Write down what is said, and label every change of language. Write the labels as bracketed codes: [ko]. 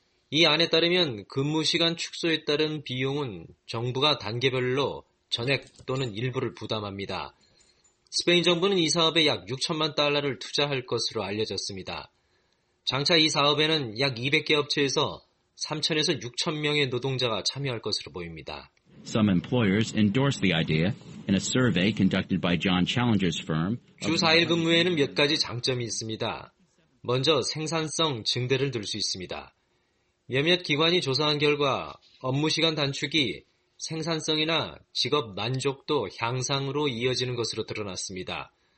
[ko] 이 안에 따르면 근무 시간 축소에 따른 비용은 정부가 단계별로 전액 또는 일부를 부담합니다. 스페인 정부는 이 사업에 약 6천만 달러를 투자할 것으로 알려졌습니다. 장차 이 사업에는 약 200개 업체에서 3천에서 6천 명의 노동자가 참여할 것으로 보입니다. [en] Some employers endorse the idea in a survey conducted by John Challenger's firm. [ko] 주 4일 근무에는 몇 가지 장점이 있습니다. 먼저 생산성 증대를 들 수 있습니다. 몇몇 기관이 조사한 결과 업무 시간 단축이 생산성이나 직업 만족도 향상으로 이어지는 것으로 드러났습니다.